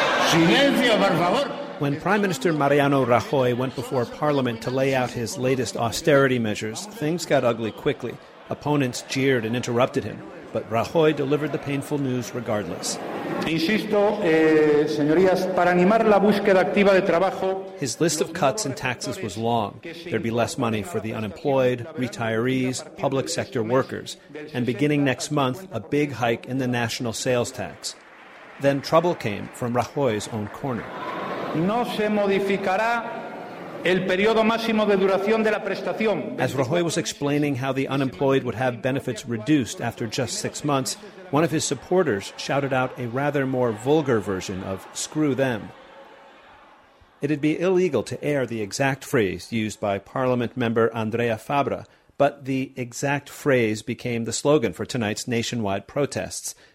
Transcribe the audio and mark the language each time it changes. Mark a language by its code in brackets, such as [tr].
[es] Silencio, por favor. [en] When Prime Minister Mariano Rajoy went before Parliament to lay out his latest austerity measures, things got ugly quickly. Opponents jeered and interrupted him, but Rajoy delivered the painful news regardless. [es] Insisto, señorías, para animar la búsqueda activa de trabajo. [en] His list of cuts and taxes was long. There'd be less money for the unemployed, retirees, public sector workers, and beginning next month, a big hike in the national sales tax. Then trouble came from Rajoy's own corner. [es] No se modificará el periodo máximo de duración de la prestación. [en] As Rajoy was explaining how the unemployed would have benefits reduced after just 6 months, one of his supporters shouted out a rather more vulgar version of "screw them." It'd be illegal to air the exact phrase used by Parliament member Andrea Fabra, but the exact phrase became the slogan for tonight's nationwide protests.